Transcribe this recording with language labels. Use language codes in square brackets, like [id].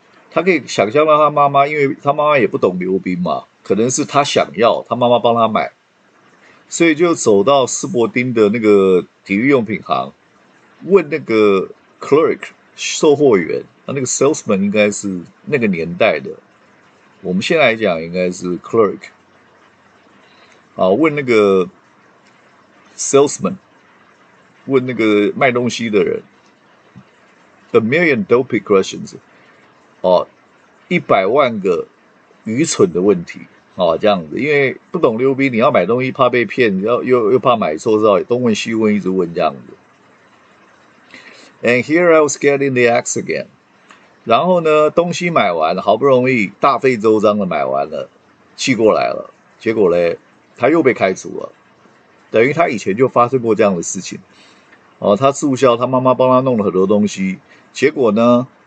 [zh] 他可以想象到他妈妈，因为他妈妈也不懂溜冰嘛，可能是他想要，他妈妈帮他买，所以就走到斯伯丁的那个体育用品行，问那个 clerk 售货员，那个 salesman 应该是那个年代的，我们现在来讲应该是 clerk， 啊，问那个 salesman， 问那个卖东西的人 ， [en] a million stupid questions。 [zh] 哦，100万个愚蠢的问题啊、哦，这样子，因为不懂溜冰，你要买东西怕被骗，又怕买错，知道东问西问，一直问这样子。 [en] And here I was getting the axe again。 [zh] 然后呢，东西买完，好不容易大费周章的买完了，寄过来了，结果嘞，他又被开除了，等于他以前就发生过这样的事情。哦，他住校，他妈妈帮他弄了很多东西，结果呢？